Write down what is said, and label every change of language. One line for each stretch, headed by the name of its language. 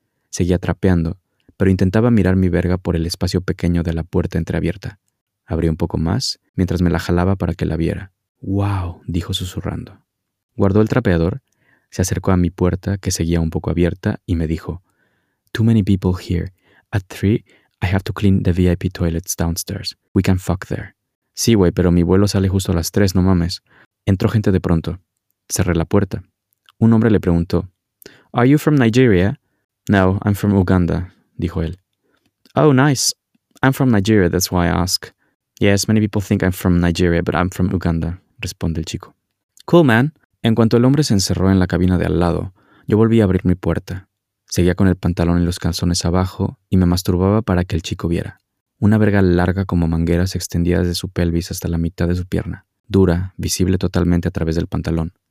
Spanish: Seguía trapeando, pero intentaba mirar mi verga por el espacio pequeño de la puerta entreabierta. Abrí un poco más, mientras me la jalaba para que la viera. «¡Wow!», dijo susurrando. Guardó el trapeador, se acercó a mi puerta, que seguía un poco abierta, y me dijo,
English: «Too many people here. At 3, I have to clean the VIP toilets downstairs. We can fuck there».
Spanish: «Sí, güey, pero mi vuelo sale justo a las 3, no mames». Entró gente de pronto. Cerré la puerta. Un hombre le preguntó,
English: «Are you from Nigeria?» «No, I'm from Uganda»,
Spanish: dijo él.
English: «Oh, nice. I'm from Nigeria, that's why I ask». «Yes, many people think I'm from Nigeria, but I'm from Uganda»,
Spanish: responde el chico.
English: «Cool, man».
Spanish: En cuanto el hombre se encerró en la cabina de al lado, yo volví a abrir mi puerta. Seguía con el pantalón y los calzones abajo y me masturbaba para que el chico viera. Una verga larga como manguera se extendía desde su pelvis hasta la mitad de su pierna, dura, visible totalmente a través del pantalón.